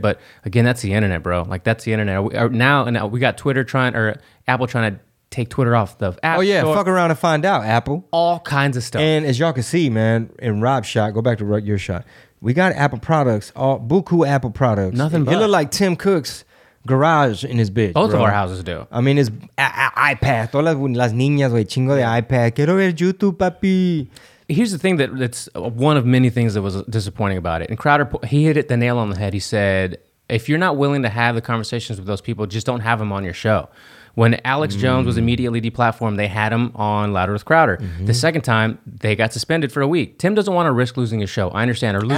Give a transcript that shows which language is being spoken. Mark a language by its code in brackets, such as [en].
[en] But again, that's the internet, bro. Like that's the internet. Now we got Twitter trying or Apple trying to take Twitter off the app. Oh, yeah. Store. Fuck around and find out, Apple. All kinds of stuff. And as y'all can see, man, in Rob's shot, go back to your shot. We got Apple products, all buku Apple products. Nothing but. It look like Tim Cook's garage in his bitch. Both bro. Of our houses do. I mean, it's iPad. [es] Todas las niñas, güey, chingo de iPad. Quiero ver YouTube, papi. [en] Here's the thing that's one of many things that was disappointing about it. And Crowder, he hit it the nail on the head. He said, if you're not willing to have the conversations with those people, just don't have them on your show. When Alex Jones was immediately deplatformed, they had him on Louder with Crowder. Mm-hmm. The second time, they got suspended for a week. Tim doesn't want to risk losing his show. I understand. Or losing